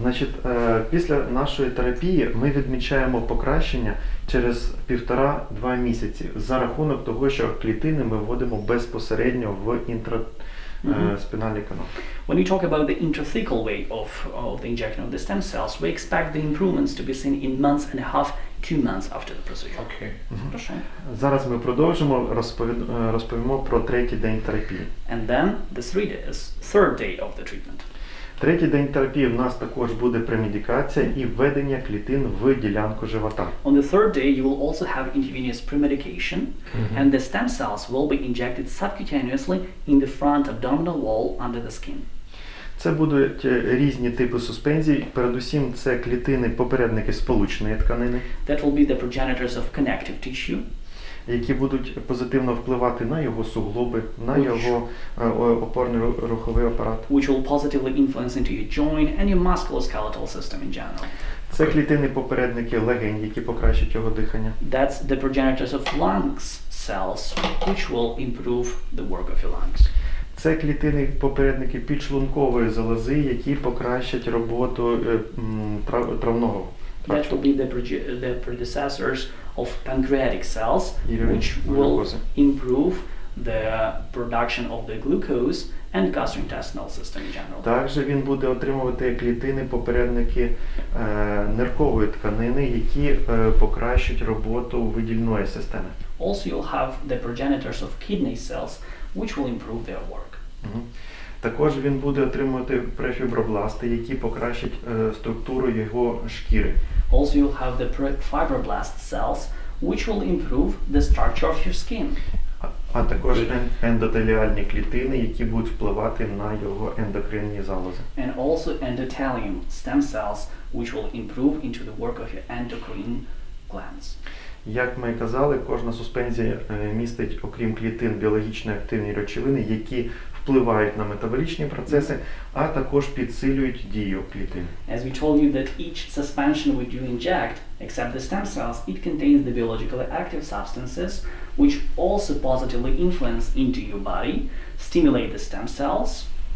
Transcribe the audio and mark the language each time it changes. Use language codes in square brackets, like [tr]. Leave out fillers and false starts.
[uk] Значить, після нашої терапії ми відмічаємо покращення через 1.5-2 місяці за рахунок того, що клітини ми вводимо безпосередньо в спінальний канал. [en] When you talk about the intrathecal way of the injection of the stem cells, we expect the improvements to be seen in months and a half, 2 months after the procedure. Okay. [uk] Зараз ми продовжимо, розповімо про третій день терапії. [en] And then the 3 days, third day of the treatment. [uk] Третій день терапії в нас також буде премедикація і введення клітин в ділянку живота. [en] On the third day you will also have intravenous premedication and the stem cells will be injected subcutaneously in the front abdominal wall under the skin. [uk] Це будуть різні типи суспензій, передусім це клітини-попередники сполучної тканини. [en] That will be the progenitors of connective tissue. [uk] Які будуть позитивно впливати на його суглоби, на його опорний руховий апарат. [en] Which will positively influence into your joint and your musculoskeletal system in general. [uk] Це клітини-попередники легень, які покращать його дихання. [en] That's the progenitors of lungs cells, which will improve the work of your lungs. [uk] Це клітини-попередники підшлункової залози, які покращать роботу травного. [en] That will be the predecessors of pancreatic cells, which will improve the production of the glucose and gastrointestinal system in general. [uk] Також він буде отримувати клітини-попередники ниркової тканини, які покращать роботу видільної системи. [en] Also you'll have the progenitors of kidney cells, which will improve their work. [uk] Також він буде отримувати префібробласти, які покращать структуру його шкіри. [en] Also you'll have the fibroblast cells, which will improve the structure of your skin. [uk] А також ендотеліальні клітини, які будуть впливати на його ендокринні залози. [en] And also endothelium stem cells, which will improve into the work of your endocrine glands. [uk] Як ми казали, кожна суспензія містить, окрім клітин, біологічно активні речовини, які впливають на метаболічні процеси, а також підсилюють дію клітин. [en] As we told you that each suspension which you inject, except the stem cells, it contains the biologically active substances, which also positively influence into your body, stimulate the stem cells.